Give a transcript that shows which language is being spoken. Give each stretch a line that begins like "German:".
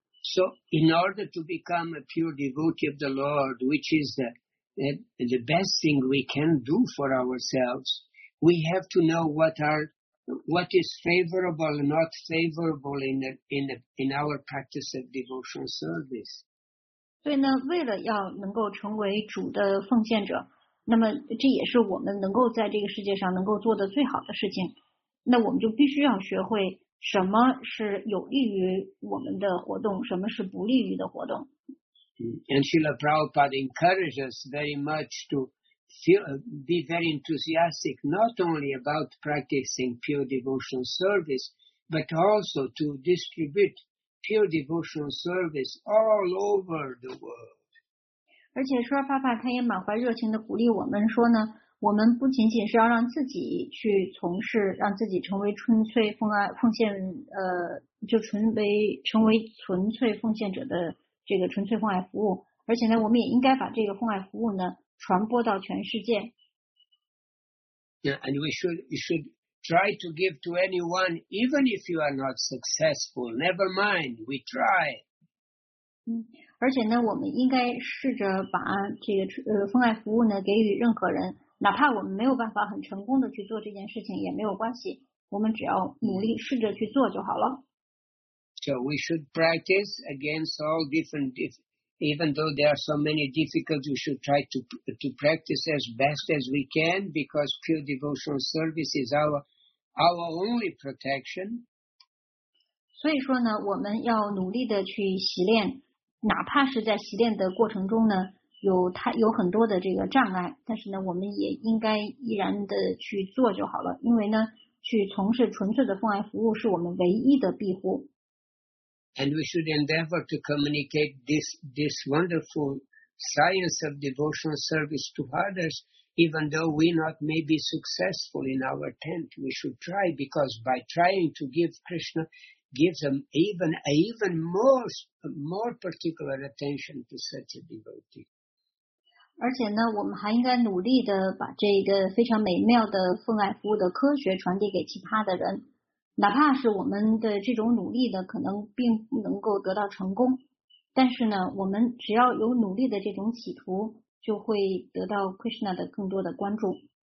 English: So in order to become a pure devotee of the Lord, which is the best thing we can do for ourselves, we have to know what is favorable and not favorable in our practice of devotional service.
Chinese: 所以呢，为了要能够成为主的奉献者，那么这也是我们能够在这个世界上能够做的最好的事情。那我们就必须要学会什么是有利于我们的活动，什么是不利于的活动。
English: And Srila Prabhupada encouraged us very much to be very enthusiastic, not only about practicing pure devotional service, but also to distribute pure devotional service all over the world.
Chinese: 而且说爸爸他也满怀热情地鼓励我们说呢，我们不仅仅是要让自己去从事，让自己成为纯粹奉献者的这个纯粹奉爱服务，而且呢，我们也应该把这个奉爱服务呢传播到全世界。
English: Yeah, and we should try to give to anyone, even if you are not successful. Never mind, we try.
Chinese: 而且呢，我们应该试着把这个奉爱服务呢给予任何人。哪怕我们没有办法很成功的去做这件事情也没有关系，我们只要努力试着去做就好了。
English: So we should practice against all different, even though there are so many difficulties, we should try to practice as best as we can, because pure devotional service is our only protection.
Chinese: 所以说呢，我们要努力的去习练，哪怕是在习练的过程中呢有很多的这个障碍，但是呢我们也应该依然的去做就好了，因为呢去从事纯粹的奉爱服务是我们唯一的庇护。
English: And we should endeavor to communicate this wonderful science of devotional service to others, even though we not may be successful in our attempt. We should try, because by trying to give Krishna gives them even more particular attention to such a devotee.
Chinese: 而且呢，我们还应该努力的把这个非常美妙的奉爱服务的科学传递给其他的人，哪怕是我们的这种努力的可能并不能够得到成功，但是呢，我们只要有努力的这种企图，就会得到 Krishna 的更多的关注。